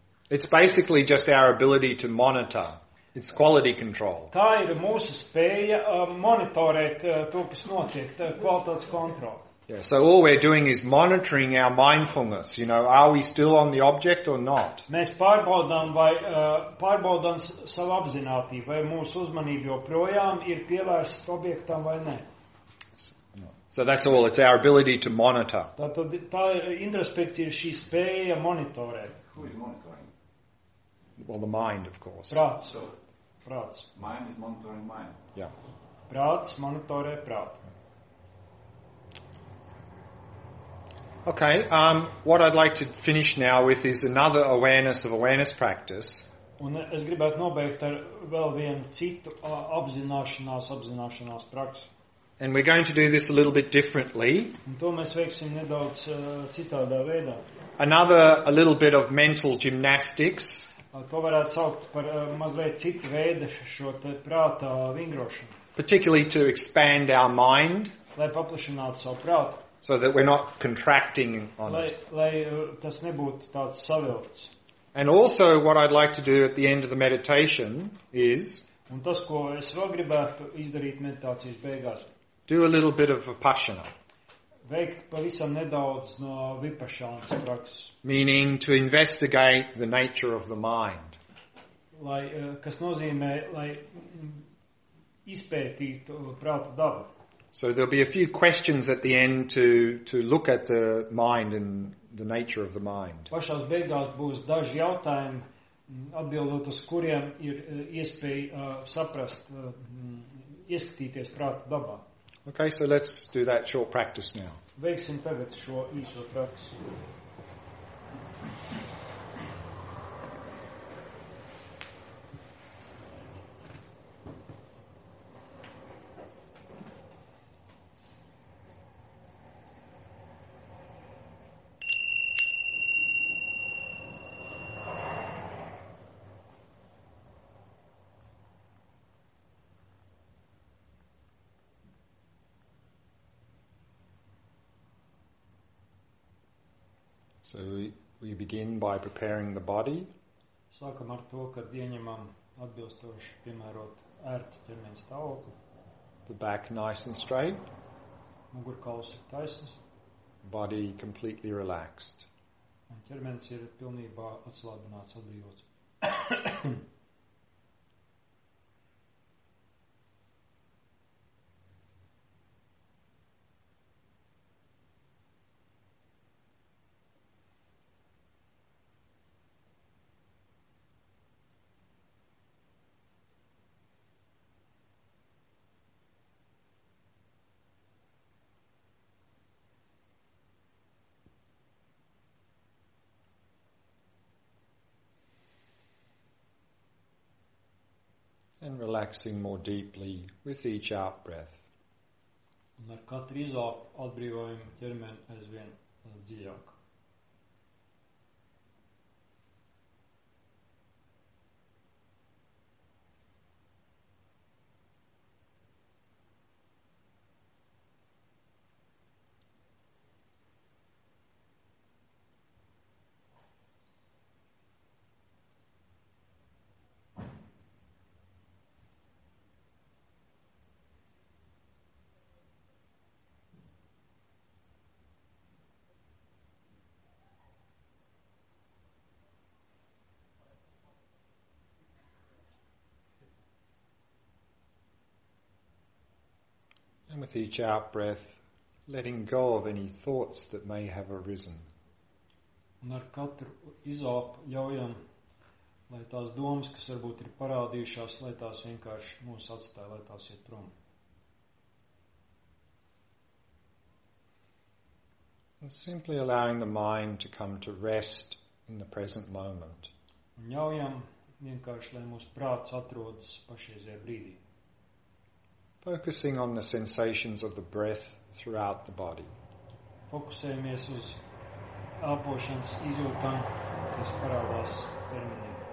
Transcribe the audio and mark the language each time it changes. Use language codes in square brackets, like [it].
[en] It's basically just our ability to monitor. It's quality control. [lv] Tā ir mūsu spēja monitorēt to, kas notiek, kvalitātes kontrole. [en] Yeah, so all we're doing is monitoring our mindfulness, you know, are we still on the object or not? [lv] Mēs pārbaudām vai pārbaudām savu apzinātību, vai mūsu uzmanība joprojām ir pievērsta objektam vai ne. [en] So that's all, it's our ability to monitor. [lv] Tā introspekcija ir šī spēja monitorēt. [en] Who is monitoring? Well, the mind, of course. [lv] Prāts. So, prāts. [en] Mind is monitoring mind. Yeah. [lv] Prāts monitorē prātu. [en] Okay, what I'd like to finish now with is another awareness of awareness practice. [lv] Un es gribētu nobeigt ar vēl vienu citu apzināšanās praksi. [en] And we're going to do this a little bit differently. [lv] Un to mēs veiksim nedaudz citādā veidā. [en] Another a little bit of mental gymnastics. [lv] To varētu saukt par mazliet citu veidu šo te prāta vingrošanu. [en] Particularly to expand our mind. [lv] Lai paplašinātu savu prātu. [en] So that we're not contracting on [lv] lai, [en] it. [lv] Lai tas nebūtu tāds savilkts. [en] And also what I'd like to do at the end of the meditation is [lv] un tas, ko es vēl gribētu izdarīt meditācijas beigās. [en] Do a little bit of vipassana. [lv] Veikt pavisam nedaudz no vipassanas prakses. [en] Meaning to investigate the nature of the mind. [lv] Lai, kas nozīmē, lai izpētītu prāta dabu. [en] So there'll be a few questions at the end to look at the mind and the nature of the mind. [lv] Pašās beigās būs daži jautājumi, atbildot uz kuriem ir iespēja saprast, ieskatīties prāta dabā. [en] Okay, so let's do that short practice now. [lv] Veiksim tagad šo īso praksi. [en] So we begin by preparing the body. [lv] Sākam ar to, kad ieņemam atbilstoši piemērot ērtu ķermeņa stāvokli. [en] The back nice and straight. [lv] Mugurkauls ir taisnas. [en] Body completely relaxed. [lv] Un ķermenis ir pilnībā atslābināts, atbrīvots. [en] And relaxing more deeply with each out breath. [lv] Un ar katru izelpu atbrīvojam ķermeni aizvien dziļāk. [en] With each out breath, letting go of any thoughts that may have arisen. [lv] Un ar katru izelpu ļaujam, lai tās domas, kas varbūt ir parādījušās, lai tās vienkārši mūs atstāj, lai tās iet prom. [en] And simply allowing the mind to come to rest in the present moment. [lv] Un ļaujam vienkārši, lai mūsu prāts atrodas pašreizajā brīdī. [en] Focusing on the sensations of the breath throughout the body. [lv] Fokusējamies uz elpošanas izjūtām, kas parādās ķermenī.